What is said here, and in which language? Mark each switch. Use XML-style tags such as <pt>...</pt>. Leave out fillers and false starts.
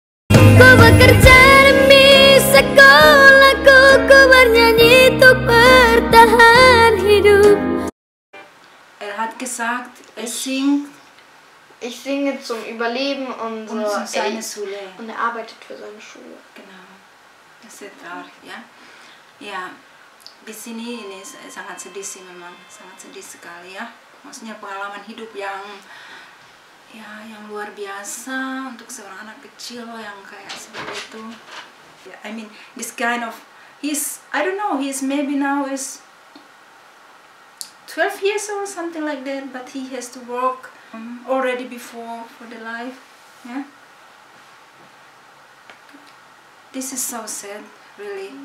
<id>Bekerja demi sekolahku, ku bernyanyi untuk bertahan hidup.</id> <de>Er hat gesagt, er singt. Ich singe zum Überleben und so. Und zu seine Schule. Und er arbeitet für seine Schule. Genau. Das ist traurig, ja.</de> <id>Ja, di sini ini sangat sedih sih memang, sangat sedih sekali ya. Maksudnya pengalaman hidup yang ya yang luar biasa untuk seorang anak kecil yang kayak seperti itu.</id> <en>Yeah, I mean this kind of he's maybe now is 12 years old something like that, but he has to work already before for the life. Yeah, this is so sad really.</en>